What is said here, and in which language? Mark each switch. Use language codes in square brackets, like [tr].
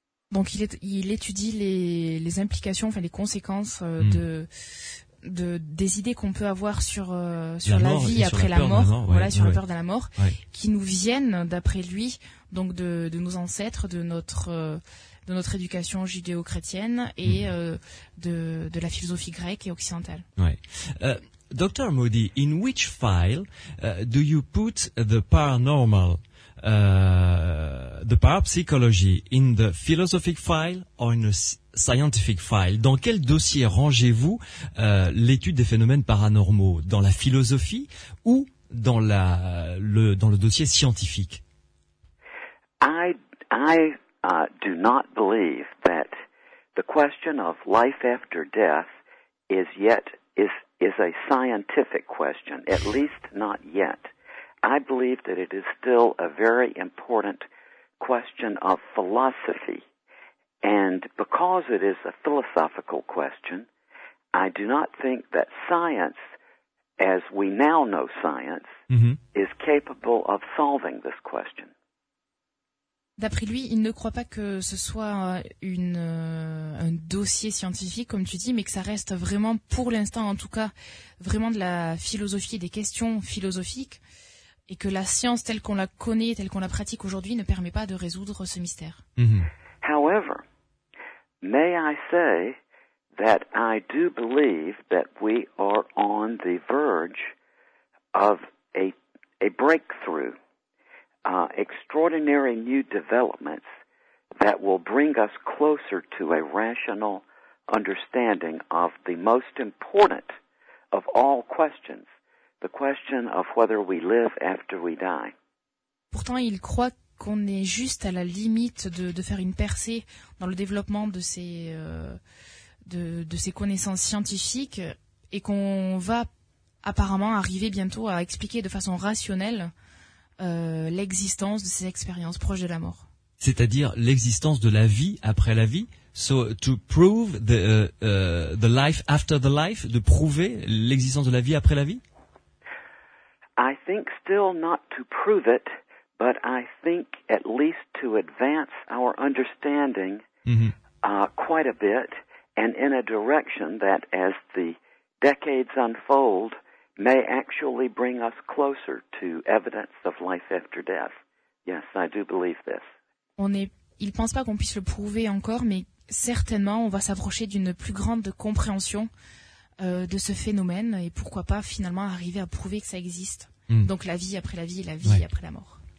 [fr] Donc il étudie les implications, enfin les conséquences des idées qu'on peut avoir sur la vie après la mort, sur la peur de la mort, ouais. qui nous viennent d'après lui, donc de nos ancêtres, de notre éducation judéo-chrétienne et de la philosophie grecque et occidentale. Ouais. Dr. [en] Moody, in which file do you put the paranormal, the parapsychology, in the philosophic file or in a scientific file? [fr] Dans quel dossier rangez-vous l'étude des phénomènes paranormaux? Dans la philosophie ou dans le dossier scientifique? [en] I do not believe that the question of life after death is a scientific question, at least not yet. I believe that it is still a very important question of philosophy. And because it is a philosophical question, I do not think that science, as we now know science, is capable of solving this question. [fr] D'après lui, il ne croit pas que ce soit un dossier scientifique, comme tu dis, mais que ça reste vraiment, pour l'instant en tout cas, vraiment de la philosophie, des questions philosophiques, et que la science telle qu'on la connaît, telle qu'on la pratique aujourd'hui, ne permet pas de résoudre ce mystère. Mm-hmm. [en] However, may I say that I do believe that we are on the verge of a breakthrough. Extraordinary new developments that will bring us closer to a rational understanding of the most important of all questions, the question of whether we live after we die. [fr] Pourtant, il croit qu'on est juste à la limite de faire une percée dans le développement de ces connaissances scientifiques et qu'on va apparemment arriver bientôt à expliquer de façon rationnelle l'existence de ces expériences proches de la mort. C'est-à-dire l'existence de la vie après la vie. [en] So to prove the life [fr] after the life, de prouver l'existence de la vie après la vie. [en] I think still not to prove it, but I think at least to advance our understanding quite a bit and in a direction that as the decades unfold may actually bring us closer to evidence of life after death. Yes, I do believe this. [fr] Il pense pas qu'on puisse le prouver encore, mais certainement on va s'approcher d'une plus grande compréhension de ce phénomène et pourquoi pas finalement arriver à prouver que ça existe. Mm. Donc la vie après la vie et la vie après la mort.